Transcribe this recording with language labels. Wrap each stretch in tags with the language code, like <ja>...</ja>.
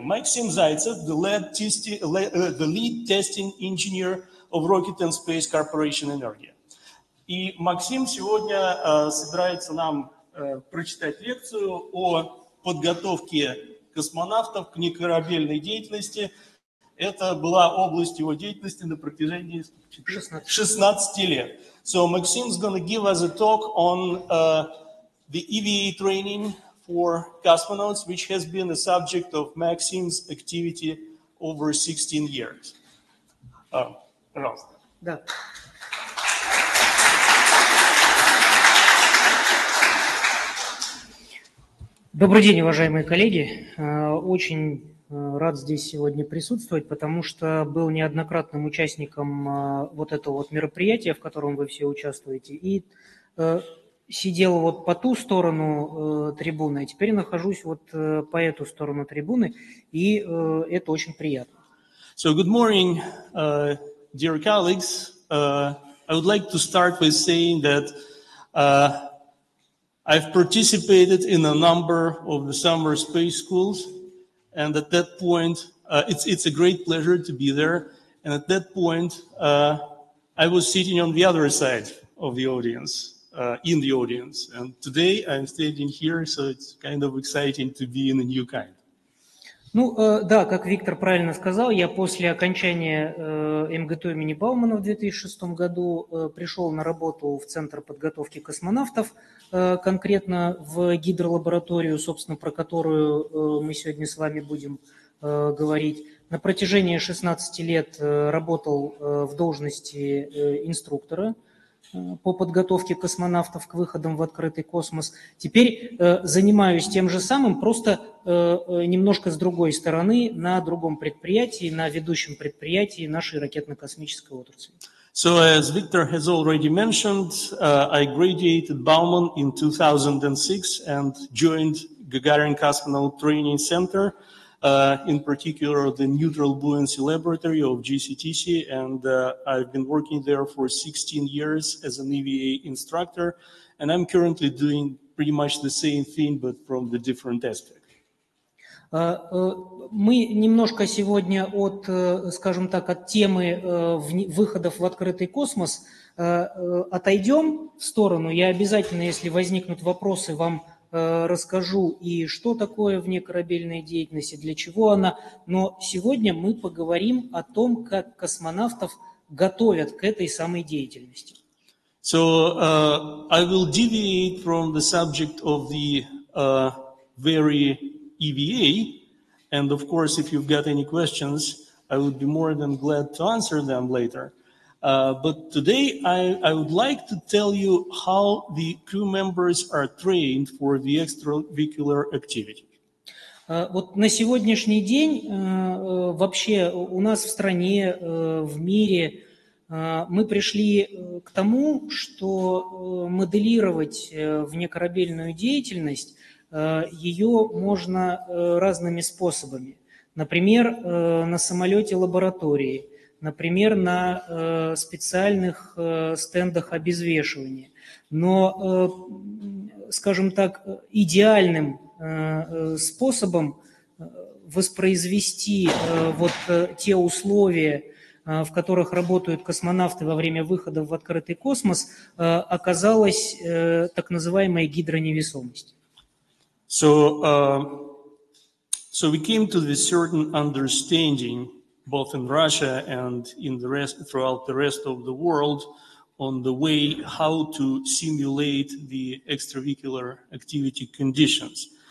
<en>Максим Зайцев, the lead testing engineer of Rocket and Space Corporation «Энергия».</en> <ru>И Максим сегодня собирается нам прочитать лекцию о подготовке космонавтов к некорабельной деятельности. Это была область его деятельности на протяжении 16 лет.</ru> <en>So Maxim is going to give us a talk on the EVA training for cosmonauts, which has been a subject of Maxim's activity over 16 years.</en> <ru>Пожалуйста. Да. Добрый день, уважаемые коллеги. Очень рад здесь сегодня присутствовать, потому что был неоднократным участником вот этого вот мероприятия, в котором вы все участвуете, и сидел вот по ту сторону трибуны, а теперь нахожусь вот по эту сторону трибуны, и это очень приятно.</ru> <en>So, good morning, dear colleagues. I would like to start with saying that I've participated in a number of the summer space schools. And at that point, it's a great pleasure to be there. And at that point, I was sitting on the other side of the audience, in the audience. And today I'm standing here, so it's kind of exciting to be in a new kind.</en> <ru>Ну, да, как Виктор правильно сказал, я после окончания МГТУ имени Баумана в 2006 году пришел на работу в Центр подготовки космонавтов, конкретно в гидролабораторию, собственно, про которую мы сегодня с вами будем говорить. На протяжении 16 лет работал в должности инструктора по подготовке космонавтов к выходам в открытый космос. Теперь занимаюсь тем же самым, просто немножко с другой стороны, на другом предприятии, на ведущем предприятии нашей ракетно-космической отрасли.</ru> <en>So, as Victor has already mentioned, I graduated Bauman in 2006 and joined Gagarin Cosmonaut Training Center, in particular the Neutral Buoyancy Laboratory of GCTC, and I've been working there for 16 years as an EVA instructor, and I'm currently doing pretty much the same thing, but from the different aspect.</en> <ru>Мы немножко сегодня от, скажем так, от темы выходов в открытый космос отойдем в сторону. Я обязательно, если возникнут вопросы, вам расскажу и что такое вне корабельной деятельности, для чего она. Но сегодня мы поговорим о том, как космонавтов готовят к этой самой деятельности.</ru> <en>So I will deviate from the subject of the very EVA, and of course, if you've got any questions, I would be more than glad to answer them later. But today I would like to tell you how the crew members are trained for the extravehicular activity.</en> <ru>Вот на сегодняшний день вообще у нас в стране, в мире мы пришли к тому, что моделировать внекорабельную деятельность, ее можно разными способами. Например, на самолете лаборатории, например, на специальных стендах обезвешивания. Но, скажем так, идеальным способом воспроизвести вот те условия, в которых работают космонавты во время выхода в открытый космос, оказалась так называемая гидроневесомость.</ru> <en>So we came to this certain understanding both in Russia and in the rest, throughout the rest of the world, on the way how to simulate the extravehicular activity conditions.</en>